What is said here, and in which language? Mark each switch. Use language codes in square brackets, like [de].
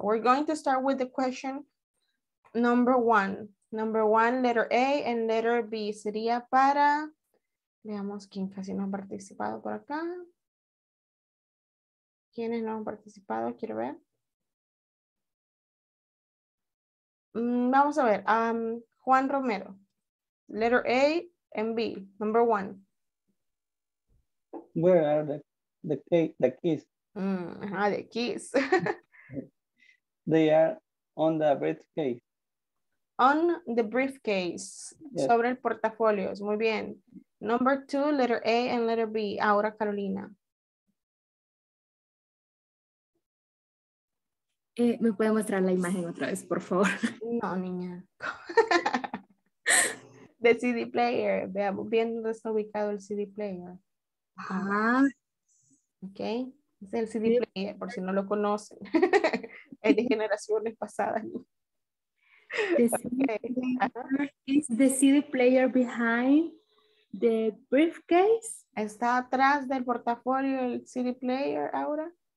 [en] We're going to start with the question number one. Number one, letter A and letter B. [es] Sería para... Veamos quién casi no ha participado por acá. ¿Quiénes no han participado? Quiero ver. Vamos a ver. [en] Juan Romero. Letter A and B, number one. Where are the keys? The keys. They are on the briefcase. On the briefcase, yes. [es] Sobre el portafolio, muy bien. [en] Number two, letter A and letter B, [es] ahora [en] Carolina. [es] ¿Me puede mostrar la imagen otra vez, por favor? No, niña. The CD player, veamos bien dónde está ubicado el CD player. Ah. Ok, es el CD player, por si no lo conocen. Es de generaciones pasadas. [en] The CD player, is the CD player behind the briefcase? [es] ¿Está atrás del portafolio el CD player, Aura?